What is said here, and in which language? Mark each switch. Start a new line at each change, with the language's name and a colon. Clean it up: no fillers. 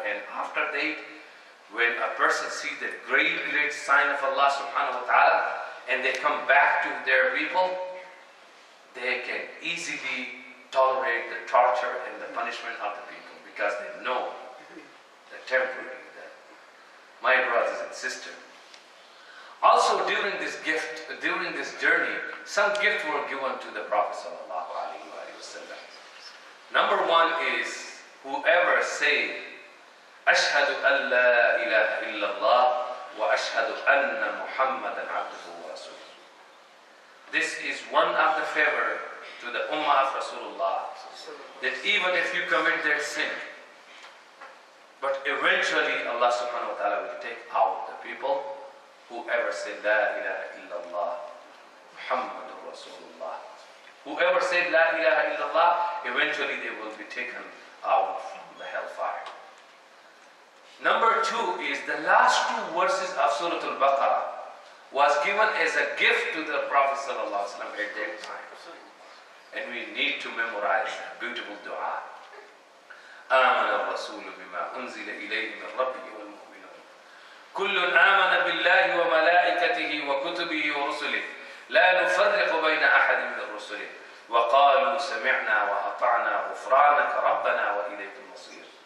English: And after that, when a person sees the great, great sign of Allah subhanahu wa ta'ala, and they come back to their people, they can easily tolerate the torture and the punishment of the people. Because they know the temporary. My brothers and sisters. Also during this gift, during this journey, some gifts were given to the Prophet sallallahu alaihi wasallam. Number one is, whoever say,
Arabic: أشهد أن لا إله إلا الله وأشهد أن محمدا عبده ورسوله.
English: This is one of the favor to the Ummah of Rasulullah. That even if you commit their sin, but eventually Allah subhanahu wa ta'ala will take out the people whoever said
Arabic: La ilaha illallah Muhammadur Rasulullah.
English: Whoever said
Arabic: La ilaha illallah,
English: eventually they will be taken out from the hellfire. Number two is the last two verses of Surah Al-Baqarah was given as a gift to the Prophet sallallahu alaihi wasallam at that time. And we need to memorize that beautiful dua.
Arabic: آمن الرسول بما أنزل إليه من ربه والمؤمنون كل آمن بالله وملائكته وكتبه ورسله لا نفرق بين أحد من الرسل وقالوا سمعنا وأطعنا غفرانك ربنا وإليك المصير